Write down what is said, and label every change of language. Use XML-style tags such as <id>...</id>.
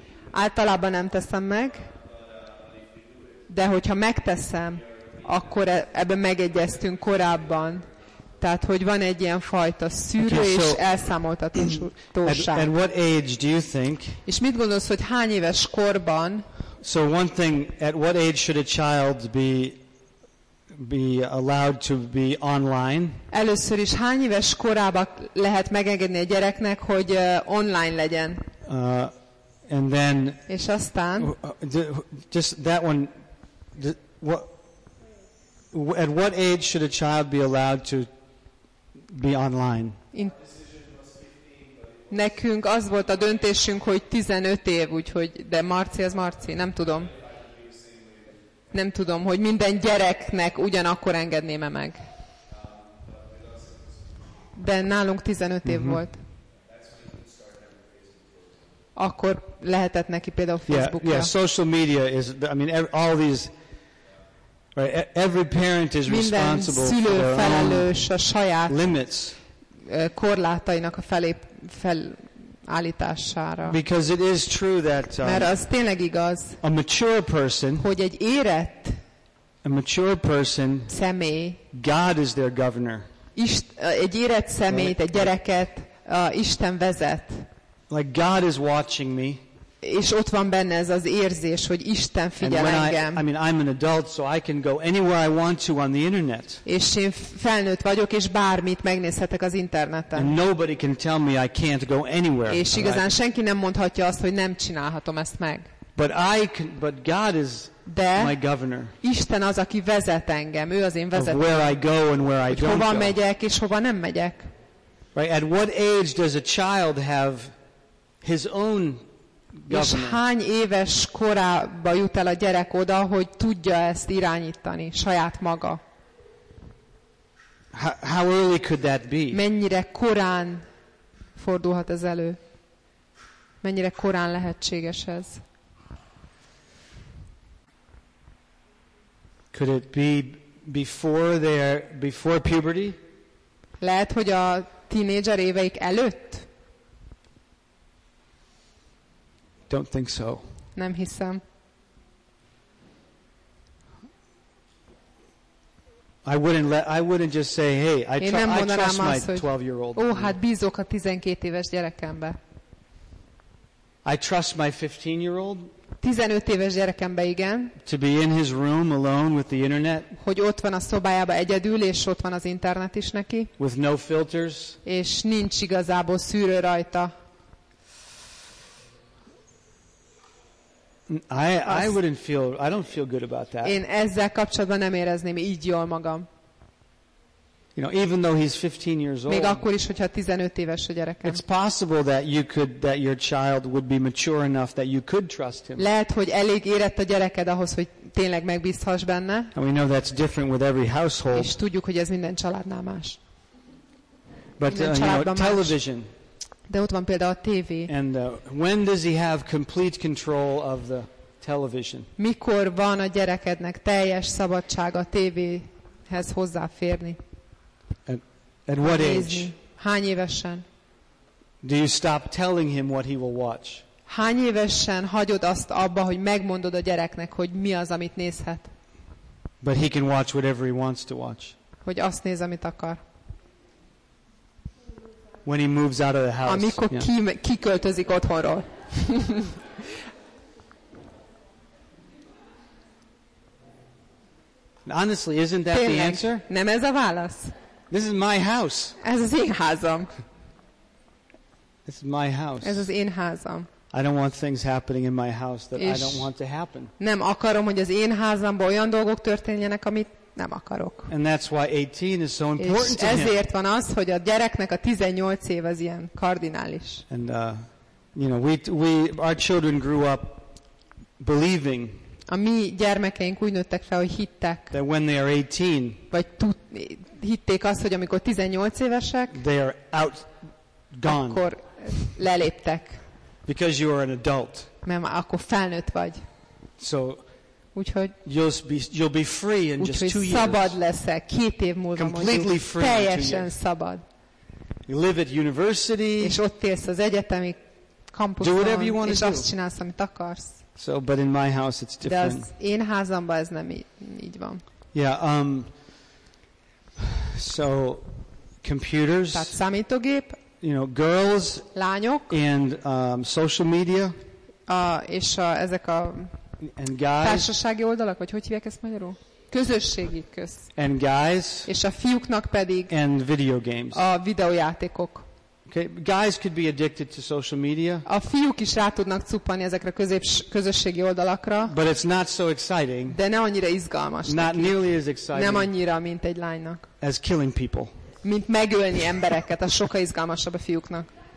<hu>Általában nem teszem meg, de hogyha megteszem, akkor ebben megegyeztünk korábban. Tehát, hogy van egy ilyen fajta szűrő és elszámoltatóság.</hu> <en>At what age do you think?</en> <hu>És mit gondolsz, hogy hány éves korban?</hu> <en>So one thing, at what age should a child be allowed to be online?</en> <hu>Először is, hány éves korában lehet megengedni a gyereknek, hogy online legyen?</hu> <en>And then,</en> <hu>és aztán?</hu> <en>Just that one. At what age should a child be allowed to be online?</en> <hu>Nekünk az volt a döntésünk, hogy 15 év, úgyhogy, de Marci az Marci, nem tudom. Nem tudom, hogy minden gyereknek ugyanakkor engedném-e meg. De nálunk 15 év volt. Akkor lehetett neki például Facebookra.</hu> <en>Yeah, social media is, I mean, all these. Right. Every parent is responsible</en> <hu>minden szülő felelős a saját</hu> <en>limits.</en> <hu>Korlátainak a felállítására.</hu> <en>Because it is true that</en> <hu>mert az tényleg igaz,</hu> <en>a mature person,</en> <hu>hogy egy érett,</hu> <en>a mature person,</en> <hu>személy,</hu> <en>God is their governor.</en> <hu>Egy érett személyt, egy gyereket Isten vezet.</hu> <en>Like God is watching me.</en> <hu>És ott van benne ez az érzés, hogy Isten figyel engem.</hu> <en>I mean, I'm an adult, so I can go anywhere I want to on the internet.</en> <hu>És én felnőtt vagyok, és bármit megnézhetek az interneten.</hu> <en>And nobody can tell me I can't go anywhere.</en> <hu>És igazán senki nem mondhatja azt, hogy nem csinálhatom ezt meg.</hu> <en>But God is my governor.</en> <hu>Isten az, aki vezet engem. Ő az én vezetőm.</hu> <en>Where I go and where I don't go.</en> <hu>Hova megyek és hova nem megyek.</hu> <en>Right? At what age does a child have his own governor?</en> <hu>És hány éves korába jut el a gyerek oda, hogy tudja ezt irányítani saját maga?</hu> <en>How early could that be?</en> <hu>Mennyire korán fordulhat ez elő? Mennyire korán lehetséges ez?</hu> <en>Could it be before puberty?</en> <hu>Lehet, hogy a tínédzser éveik előtt?</hu> <en>Don't think so.</en> <hu>Nem hiszem.</hu> <en>I wouldn't just say, hey, I trust my 12-year-old.</en> <hu>Ó, hát bízok a 12 éves gyerekembe.</hu> <en>I trust my 15-year-old.</en> <hu>15 éves gyerekembe, igen.</hu> <en>To be in his room alone with the internet.</en> <hu>Hogy ott van a szobájában egyedül, és ott van az internet is neki.</hu> <en>With no filters.</en> <hu>És nincs igazából szűrő rajta.</hu> <en>I don't feel good about that.</en> <hu>Én ezzel kapcsolatban nem érezném így jól magam.</hu> <en>You know, even though he's 15 years old.</en> <hu>Még akkor is, hogyha 15 éves a gyerekem.</hu> <en>It's possible that you could, that your child would be mature enough that you could trust him.</en> <hu>Lehet, hogy elég érett a gyereked ahhoz, hogy tényleg megbízhass benne.</hu> <en>And we know that's different with every household.</en> <hu>És tudjuk, hogy ez minden családnál más.</hu> <en>But you know, television.</en> <hu>De ott van például a tévé.</hu> <en>And when does he have complete control of the television?</en> <hu>Mikor van a gyerekednek teljes szabadság a tévéhez hozzáférni?</hu> <en>At what age?</en> <hu>Hány évesen?</hu> <en>Do you stop telling him what he will watch?</en> <hu>Hány évesen hagyod azt abba, hogy megmondod a gyereknek, hogy mi az, amit nézhet?</hu> <en>But he can watch whatever he wants to watch.</en> <hu>Hogy azt néz, amit akar.</hu> <en>When he moves out of the house.</en> <hu>Amikor kiköltözik otthonról.</hu> <en>Honestly, isn't that</en> <hu>tényleg</hu> <en>the answer?</en> <hu>Nem ez a válasz.</hu> <en>This is my house.</en> <hu>Ez az én házam.</hu> <en>This is my house.</en> <hu>Ez az én házam.</hu> <en>I don't want things happening in my house that I don't want to happen.</en> <hu>Nem akarom, hogy az én házamban olyan dolgok történjenek, amit nem akarok.</hu> <en>And that's why 18 is so important to him.</en> <hu>Ezért van az, hogy a gyereknek a 18 év az ilyen kardinális.</hu> <en>And you know, we our children grew up believing.</en> <hu>A mi gyermekeink úgy nőttek fel, hogy hittek.</hu> <en>That when they are 18.</en> <hu>Vagy hitték azt, hogy amikor 18 évesek.</hu> <en>They are out, gone.</en> <hu>Akkor leléptek.</hu> <en>Because you are an adult.</en> <hu>Mert akkor felnőtt vagy.</hu> <en>So.</en> <hu>Úgyhogy</hu> <en>you'll be free in just 2 years.</en> <hu>Úgyhogy szabad leszek 2 év múlva.</hu> <en>Completely free.</en> <hu>Teljesen szabad.</hu> <en>You live at university.</en> <hu>És ott élsz az egyetemi kampuszon.</hu> <en>Do whatever you want to do.</en> <hu>És azt csinálsz, amit akarsz.</hu> <en>So, but in my house it's different.</en> <hu>De az én házamban ez nem így van.</hu> <en>Yeah. So, computers.</en> <hu>Tehát számítógép.</hu> <en>You know, girls.</en> <hu>Lányok.</hu> <en>And social media.</en> <hu>És ezek a</hu> <en>and guys,</en> <hu>társasági oldalak, vagy hogy hívják ezt magyarul? Közösségi köz.</hu> <en>And guys,</en> <hu>és a fiúknak pedig</hu> <en>and video games.</en> <hu>A videójátékok.</hu> <en>Okay, guys could be addicted to social media.</en> <hu>A fiúk is rá tudnak cuppanni ezekre a közösségi oldalakra.</hu> <en>But it's not so exciting.</en> <hu>De ne annyira izgalmas.</hu> <en>Not</en> <hu>neki.</hu> <en>Nearly as exciting.</en> <hu>Nem annyira, mint egy lánynak.</hu> <en>As killing people.</en> <hu>Mint megölni embereket, az sokkal izgalmasabb a fiúknak.</hu>